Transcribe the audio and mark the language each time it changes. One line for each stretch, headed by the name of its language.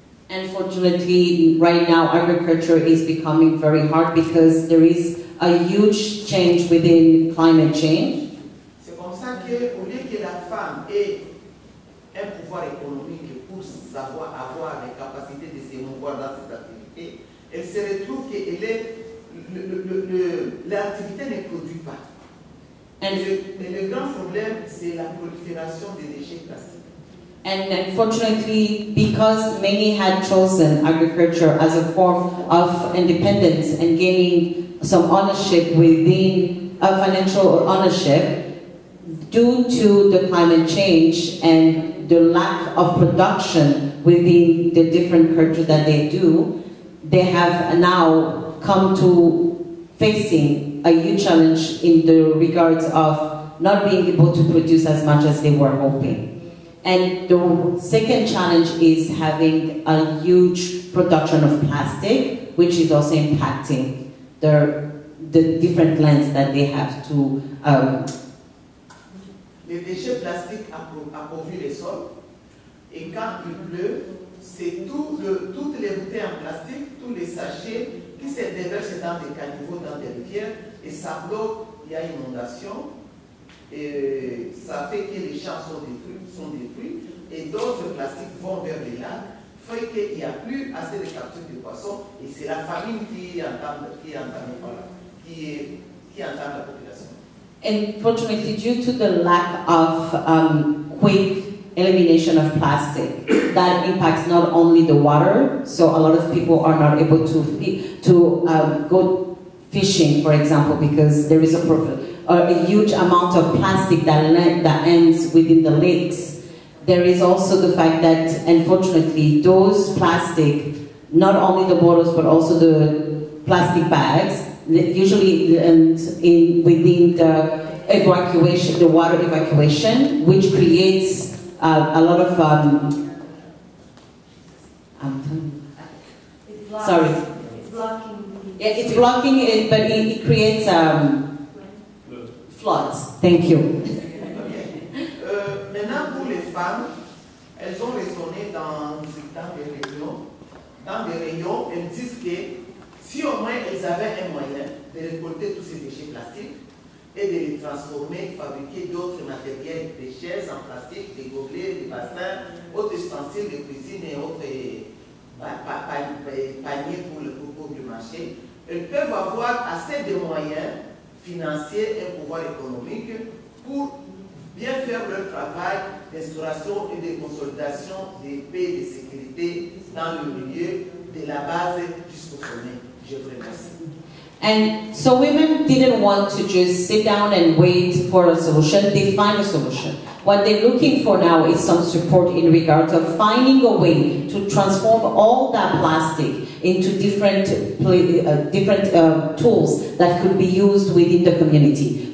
English: Unfortunately, right now agriculture is becoming very hard because there is a huge change within climate change.
French: C'est comme ça que, au lieu que la femme ait un pouvoir économique pour savoir avoir les capacités de se mouvoir dans cette activité, elle se retrouve que l'activité ne produit pas. Et le grand problème, c'est la prolifération des déchets plastiques.
English: And unfortunately, because many had chosen agriculture as a form of independence and gaining some ownership within a financial ownership, due to the climate change and the lack of production within the different cultures that they have now come to facing a huge challenge in the regards of not being able to produce as much as they were hoping. And the second challenge is having a huge production of plastic, which is also impacting the different lands that they have to.
French: Les déchets plastiques appauvrissent les sols, et quand il pleut, c'est toutes les bouteilles en plastique, tous les sachets qui se déversent dans des caniveaux, dans des rivières, et ça bloque, il y a inondation. Et ça fait que les champs sont détruits et d'autres plastiques vont vers les lacs, fait qu'il n'y a plus assez de capture de poissons et c'est la famine qui entame la population.
English: Unfortunately, due to the lack of quick elimination of plastic, that impacts not only the water, so a lot of people are not able to go fishing, for example, because there is a problem. A huge amount of plastic that ends within the lakes. There is also the fact that, unfortunately, those plastic, not only the bottles, but also the plastic bags, usually end in within the evacuation, the water evacuation, which creates it creates floods. Thank you.
French: Maintenant, pour les femmes, elles ont raisonné dans des régions, elles disent que si au moins elles avaient un moyen de récolter tous ces déchets plastiques et de les transformer, fabriquer d'autres matériels, des chaises en plastique, des gobelets, des bassins, autres ustensiles de cuisine et autres paniers pour le concours du marché, elles peuvent avoir assez de moyens financiers et pouvoir économique pour bien faire leur travail d'instauration et de consolidation des paix et de sécurité dans le milieu de la base jusqu'au sommet. Je vous remercie.
English: And so women didn't want to just sit down and wait for a solution, they find a solution. What they're looking for now is some support in regard to finding a way to transform all that plastic into different tools that could be used within the community.